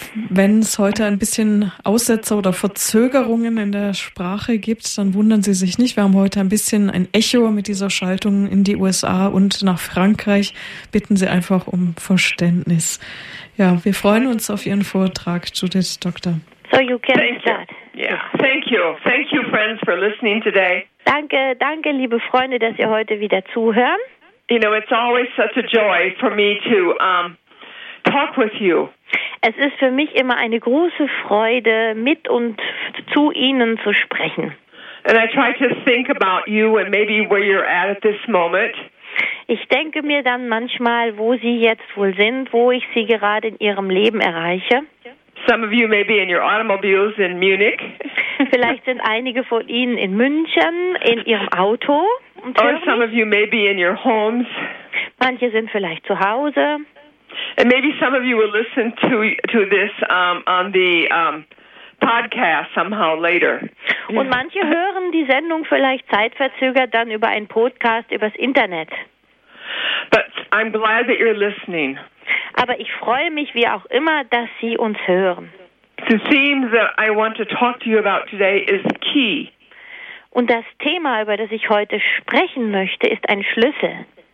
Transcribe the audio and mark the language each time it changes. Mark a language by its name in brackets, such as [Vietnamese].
[German] Wenn es heute ein bisschen Aussetzer oder Verzögerungen in der Sprache gibt, dann wundern Sie sich nicht. Wir haben heute ein bisschen ein Echo mit dieser Schaltung in die USA und nach Frankreich. Bitten Sie einfach um Verständnis. Ja, wir freuen uns auf Ihren Vortrag, Judith Doktor. [English] So you can start. Yeah, thank you. Thank you, friends, for listening today. [German] Danke, danke, liebe Freunde, dass ihr heute wieder zuhört. [English] You know, it's always such a joy for me to talk with you. [German] Es ist für mich immer eine große Freude, mit und zu Ihnen zu sprechen. [English] And I try to think about you and maybe where you're at this moment. [German] Ich denke mir dann manchmal, wo Sie jetzt wohl sind, wo ich Sie gerade in Ihrem Leben erreiche. [English] Some of you may be in your automobiles in Munich. [German] Vielleicht sind einige von Ihnen in München in Ihrem Auto. [English] Or some of you may be in your homes. [German] Manche sind vielleicht zu Hause. [English] And maybe some of you will listen to this on the podcast somehow later. [German] Und manche hören die Sendung vielleicht zeitverzögert dann über einen Podcast übers Internet. [English] But I'm glad that you're listening. [German] Aber ich freue mich, wie auch immer, dass Sie uns hören. [English] The theme that I want to talk to you about today is key. [German] Und das Thema, über das ich heute sprechen möchte, ist ein Schlüssel.